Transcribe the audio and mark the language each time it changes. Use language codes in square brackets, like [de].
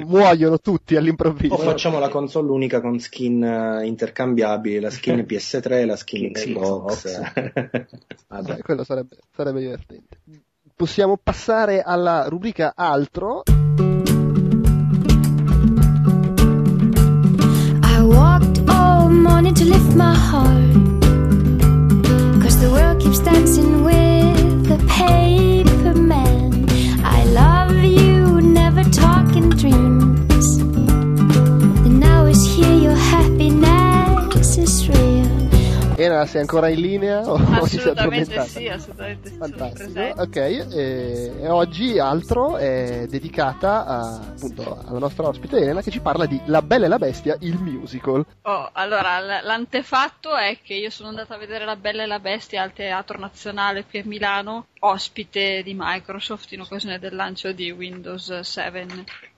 [it] Muoiono tutti all'improvviso. O facciamo la console unica con skin intercambiabili, la skin PS3 e la skin Xbox. Vabbè. Quello sarebbe divertente. Possiamo passare alla rubrica altro. [en] I walked all morning to lift my heart, 'cause the world keeps dancing with the paper man. I love you, never talk in dreams. And now is here, your happiness is real. [it] Era, sei ancora in linea? Assolutamente sì. Fantastico. Ok, e oggi altro è dedicata appunto alla nostra ospite Elena, che ci parla di La Bella e la Bestia, il musical. Oh, allora, l'antefatto è che io sono andata a vedere La Bella e la Bestia al Teatro Nazionale qui a Milano, ospite di Microsoft in occasione del lancio di Windows 7.